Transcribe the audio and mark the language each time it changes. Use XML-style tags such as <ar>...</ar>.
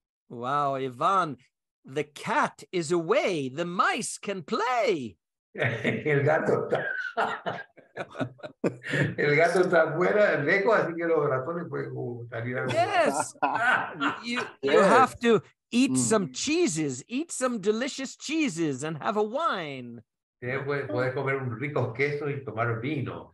<en>Wow, Ivan, the cat is away, the mice can play.</en> <es>El gato está. El gato está afuera, lejos, así que los ratones pueden salir a jugar.</es> <en>Yes, you have to eat some cheeses, eat some delicious cheeses and have a wine.</en> <es>Puedes comer un rico queso y tomar vino.</es>